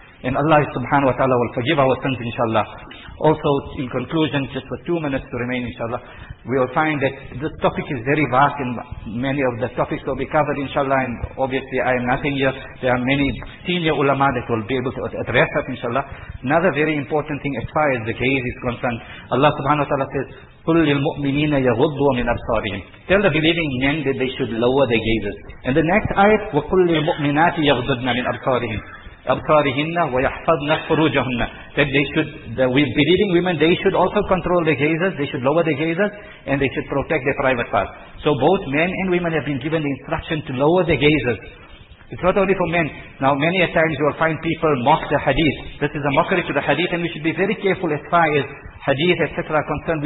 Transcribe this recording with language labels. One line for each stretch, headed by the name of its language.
English: And Allah subhanahu wa ta'ala will forgive our sins, inshallah. Also, in conclusion, just for 2 minutes to remain, inshallah, we will find that this topic is very vast and many of the topics will be covered, inshallah, and obviously I am nothing here. There are many senior ulama that will be able to address us, inshallah. Another very important thing as far as the gaze is concerned, Allah subhanahu wa ta'ala says,
Arabic: قُلْ لِلْمُؤْمِنِينَ يَغُضُّوا مِنْ أَبْصَارِهِمْ.
English: Tell the believing men that they should lower their gazes. And the next ayat,
Arabic: وَقُلْ لِلْمُؤْمِنَاتِ يَغْضُضْنَ مِنْ أَبْصَارِهِمْ. أَبْصَارِهِنَّ وَيَحْفَظْنَ فُرُوجَهُنَّ.
English: That they should, believing women, they should also control their gazes, they should lower their gazes, and they should protect their private parts. So both men and women have been given the instruction to lower their gazes. It's not only for men. Now many a times you will find people mock the hadith. This is a mockery to the hadith, and we should be very careful as far as hadith, etc. are concerned.